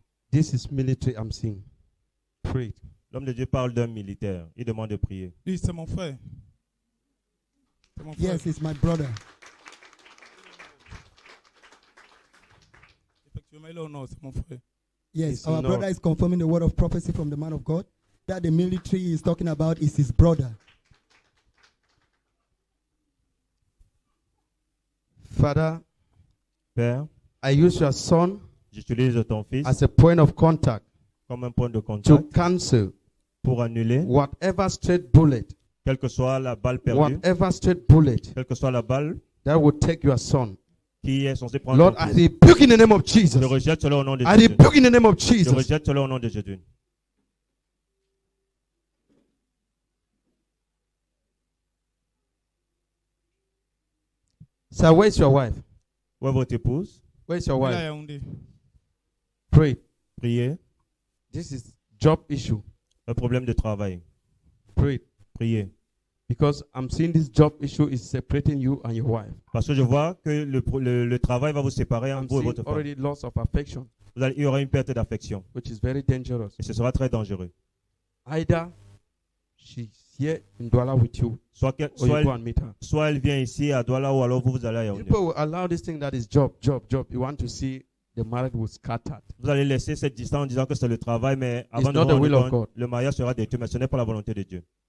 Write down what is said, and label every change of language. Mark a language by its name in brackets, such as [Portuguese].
[English] This is military I'm seeing. Pray. [French] L'homme de Dieu parle d'un militaire. Il demande de prier. Oui, c'est mon frère. C'est mon frère. [English] Yes, it's my brother. [French] Effectivement, il est au nord, c'est mon frère. [English] Yes, it's our brother is confirming the word of prophecy from the man of God that the military he is talking about is his brother. Father, [French] Père, [English] I use your son [French] j'utilise ton fils [English] as a point of contact, [French] comme un point de contact [English] to cancel [French] pour annuler [English] whatever straight bullet, [French] quelle que soit la balle perdue, [English] whatever straight bullet, [French] quelle que soit la balle [English] that would take your son. [French] Qui est censé [English] prendre Lord, I rebuke in the name of Jesus. [French] Je rejette cela au nom de Jésus. [English] I rebuke in the name of Jesus. [French] Je rejette cela au nom de Jésus. [English] So where is your wife? [French] Where votre épouse? [English] Where is your wife? Yaoundé. Pray. [French] Priez. [English] This is job issue. [French] Un problème de travail. [English] Pray. [French] Priez. [English] Because I'm seeing this job issue is separating you and your wife. [French] Parce que je vois que le travail va vous séparer entre vous et votre femme. [English] Already loss of affection. [French] Il y aura une perte d'affection. [English] Which is very dangerous. [French] Et ce sera très dangereux. [English] Either she's here in Douala with you. [French] Soit elle vient ici à Douala ou alors vous allez à Yaoundé. [English] People will allow this thing that is job. You want to see the marriage will scatter. [French] Vous allez laisser cette distance en disant que c'est le travail, mais avant de voir le mariage sera détruit, mais ce n'est pas la volonté de Dieu.